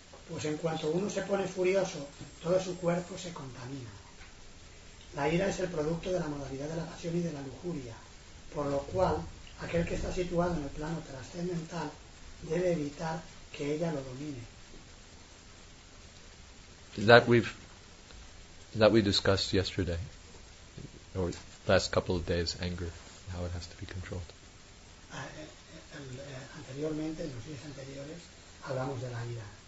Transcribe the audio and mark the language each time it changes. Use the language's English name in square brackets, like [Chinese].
[Spanish] Pues en cuanto uno se pone furioso, todo su cuerpo se contamina. La ira es el producto de la modalidad de la pasión y de la lujuria, por lo cual aquel que está situado en el plano trascendental debe evitar que ella lo domine. [English] That we discussed yesterday, or last couple of days, anger, how it has to be controlled. [Spanish] Anteriormente, en los días anteriores, hablamos de la ira.